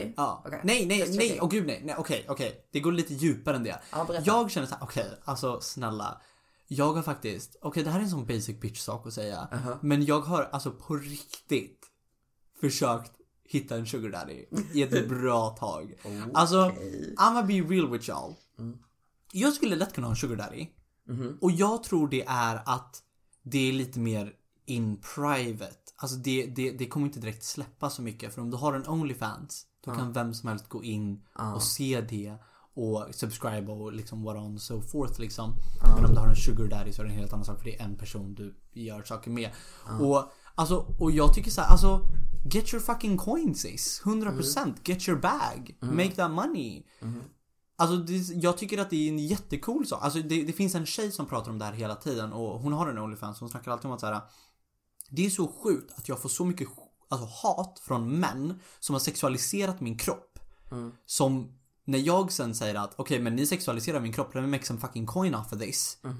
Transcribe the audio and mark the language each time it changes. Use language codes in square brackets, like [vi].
[sv] Okay. Ja. Okay. Nej. Okay. Oh, gud, nej. Okej. Det går lite djupare än det. Jag känner så här, alltså snälla. Jag har faktiskt, det här är en sån basic bitch sak att säga, men jag har alltså på riktigt försökt hitta en sugar daddy i ett bra tag. [en] Okay. Alltså, I'm gonna be real with y'all. Mm. [sv] Jag skulle lätt kunna ha en sugar daddy. Mm-hmm. Och jag tror det är att det är lite mer [en] in private. [sv] Alltså det kommer inte direkt släppa så mycket, för om du har en OnlyFans, då kan vem som helst gå in och se det. Och subscribe och liksom [en] what on so forth [sv] liksom. Men om du har en sugar daddy så är det en helt annan sak, för det är en person du gör saker med. Och jag tycker så här, alltså [en] get your fucking coins, sis. 100% get your bag, make that money. [sv] Alltså jag tycker att det är en jättecool sak. Alltså det finns en tjej som pratar om det här hela tiden, och hon har en OnlyFans, hon snackar alltid om att så här, det är så sjukt att jag får så mycket hat från män som har sexualiserat min kropp. Som när jag sen säger att okej, men ni sexualiserar min kropp, [en] let me make some fucking coin off of this.